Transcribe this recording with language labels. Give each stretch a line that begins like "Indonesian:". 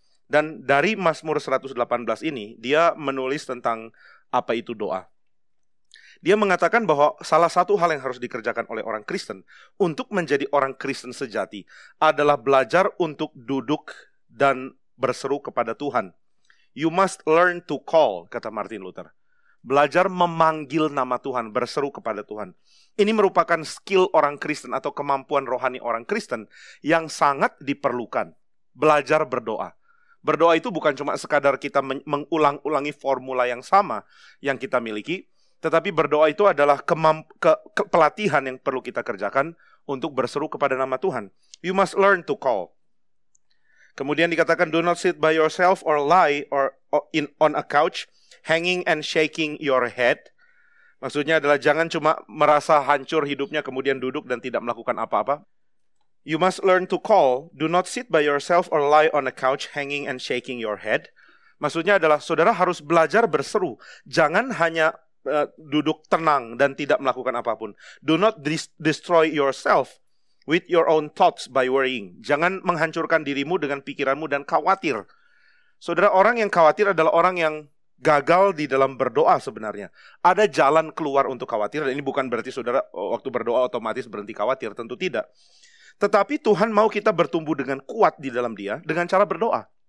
Indonesian: Dan dari Mazmur 118 ini, dia menulis tentang apa itu doa. Dia mengatakan bahwa salah satu hal yang harus dikerjakan oleh orang Kristen untuk menjadi orang Kristen sejati adalah belajar untuk duduk dan berseru kepada Tuhan.
English: You must learn to call,
Indonesian: kata Martin Luther. Belajar memanggil nama Tuhan, berseru kepada Tuhan. Ini merupakan skill orang Kristen atau kemampuan rohani orang Kristen yang sangat diperlukan. Belajar berdoa. Berdoa itu bukan cuma sekadar kita mengulang-ulangi formula yang sama yang kita miliki, tetapi berdoa itu adalah pelatihan yang perlu kita kerjakan untuk berseru kepada nama Tuhan.
English: You must learn to call.
Indonesian: Kemudian dikatakan,
English: do not sit by yourself or lie on a couch, hanging and shaking your head.
Indonesian: Maksudnya adalah jangan cuma merasa hancur hidupnya, kemudian duduk dan tidak melakukan apa-apa.
English: You must learn to call. Do not sit by yourself or lie on a couch, hanging and shaking your head.
Indonesian: Maksudnya adalah saudara harus belajar berseru. Jangan hanya duduk tenang dan tidak melakukan apapun.
English: Do not destroy yourself with your own thoughts by worrying.
Indonesian: Jangan menghancurkan dirimu dengan pikiranmu dan khawatir. Saudara, orang yang khawatir adalah orang yang gagal di dalam berdoa sebenarnya. Ada jalan keluar untuk khawatir, dan ini bukan berarti saudara waktu berdoa otomatis berhenti khawatir, tentu tidak. Tetapi Tuhan mau kita bertumbuh dengan kuat di dalam Dia dengan cara berdoa.